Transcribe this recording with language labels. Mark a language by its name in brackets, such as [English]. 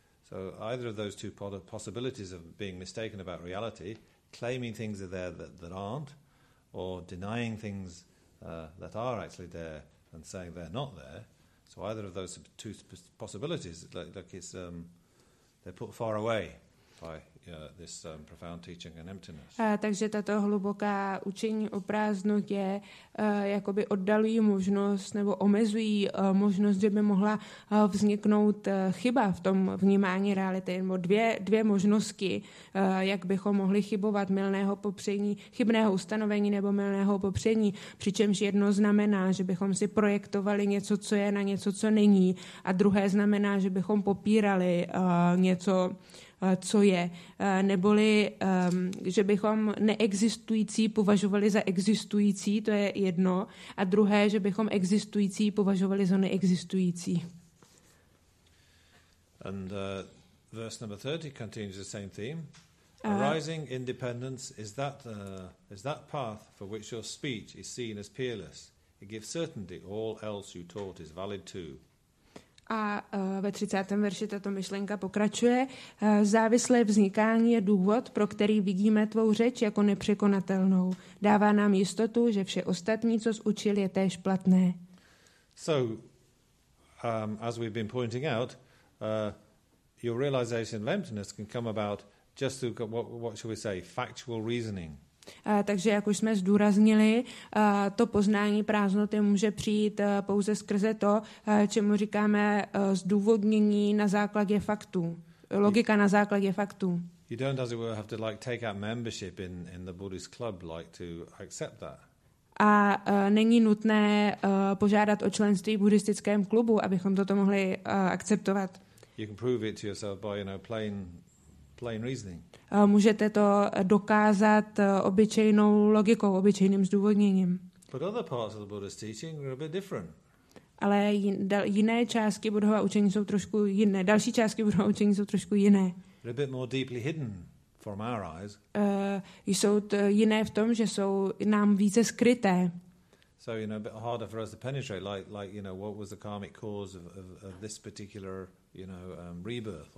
[English] So either of those two possibilities of being mistaken about reality, claiming things are there that aren't, or denying things that are actually there and saying they're not there. So either of those two possibilities, they're put far away by this profound teaching and emptiness. [Czech] Takže tato hluboká učení o prázdnotě jakoby oddalují možnost nebo omezují možnost, že by mohla vzniknout chyba v tom vnímání reality, nebo dvě možnosti, jak bychom mohli chybovat mylného popření, chybného ustanovení nebo mylného popření, přičemž jedno znamená, že bychom si projektovali něco, co je, na něco, co není, a druhé znamená, že bychom popírali něco, co je, neboli že bychom neexistující považovali za existující, to je jedno, a druhé, že bychom existující považovali za neexistující. [English] And verse number 30 continues the same theme. Arising independence is that path for which your speech is seen as peerless. It gives certainty all else you taught is valid too. [Czech] A ve 30. verši tato myšlenka pokračuje. Závislé vznikání je důvod, pro který vidíme tvou řeč jako nepřekonatelnou. Dává nám jistotu, že vše ostatní, co zučil, je též platné. [English] So, as we've been pointing out, your realization of emptiness can come about just through what should we say, factual reasoning. [Czech] Takže jak už jsme zdůraznili, to poznání prázdnoty může přijít pouze skrze to, čemu říkáme zdůvodnění na základě faktů, logika na základě faktů. [English] You don't, as it were, have to like take out membership in the Buddhist club like to accept that. [Czech] A není nutné požádat o členství v buddhistickém klubu, abychom toto mohli akceptovat. [English] You can prove it to yourself by, you know, plain reasoning. [Czech] Můžete to dokázat obyčejnou logikou, obyčejným zdůvodněním. [English] But other parts of the Buddha's teaching are a bit different. [Czech] Ale jiné části Buddhova učení jsou trošku jiné. Další části Buddhova učení jsou trošku jiné. [English] They're a bit more deeply hidden from our eyes. [Czech] Jsou jiné v tom, že jsou nám více skryté. [English] So, you know, a bit harder for us to penetrate, like, you know, what was the karmic cause of this particular, you know, rebirth?